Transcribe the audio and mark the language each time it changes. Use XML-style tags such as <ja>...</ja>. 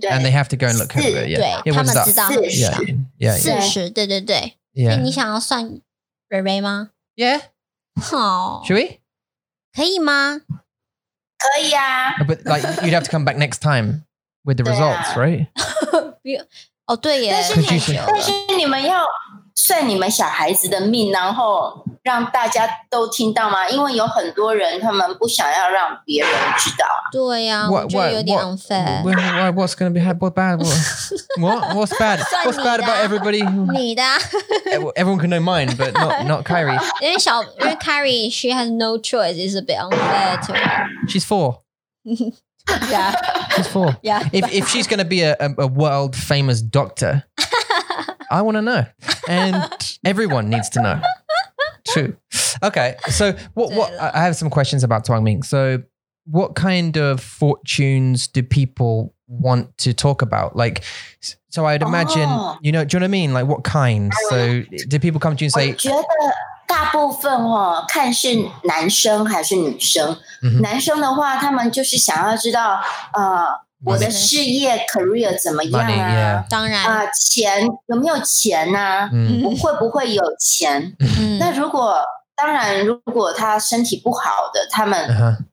<en>and they have to go and look over it、yeah.。</en> <zh>对，他们知道四十 40, 对对对。</zh> <en>Yeah.</en> <zh>欸、你想要算瑞瑞吗</zh> <en>？Yeah，</en> <zh>好、</zh> <en>oh, ，Should we？</en> <zh>可以吗？</zh> <en>But like, you'd have to come back next time with the results, right?</en> <zh>哦，对耶。但是你们要算你们小孩子的命，然后让大家都听到吗？因为有很多人他们不想要让别人知道。对呀，我觉得有点 unfair。</zh> <en>What's gonna be what bad? What's bad? What's bad about everybody?</en> <zh>你的。</zh> <en>Everyone can know mine, but not Kyrie.</en> <zh>因为</zh> <en>Kyrie, she has no choice. It's a bit unfair to her. She's four. Yeah. She's four. Yeah. If she's going to be a world famous doctor, I want to know. And everyone needs to know. True. Okay. So what I have some questions about Tuang Ming. So what kind of fortunes do people want to talk about? Like, so I'd imagine, you know, do you know what I mean? Like what kind? So do people come to you and say...</en> <zh>大部分哦，看是男生还是女生。 Mm-hmm. 男生的话，他们就是想要知道，我的事业 career 怎么样啊？当然啊，钱有没有钱呐、啊？我会不会有钱？那如果当然，如果他身体不好的，他们、uh-huh.</zh>